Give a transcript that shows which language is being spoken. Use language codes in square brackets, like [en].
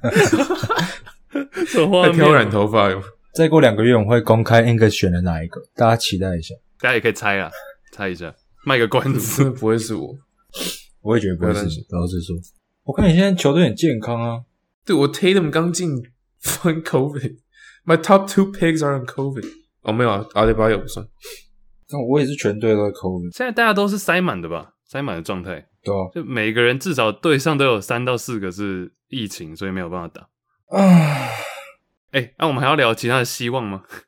[zh] 什么画面？在挑染头发哟。再过两个月我们会公开 Angus 选了哪一个，大家期待一下。大家也可以猜啊，猜一下，卖个关子。不会是我。我也觉得不会是你，老实说。我看你现在球队很健康啊。对，我 Tatum 刚进 [en] from COVID。 My top two picks are on COVID。 [zh] 哦，没有啊， Adebayo 不算。但我也是全队都在 COVID。现在大家都是塞满的吧，塞满的状态。对啊。就每个人至少队上都有三到四个是疫情，所以没有办法打。哎、欸，那、啊、我们还要聊其他的希望吗？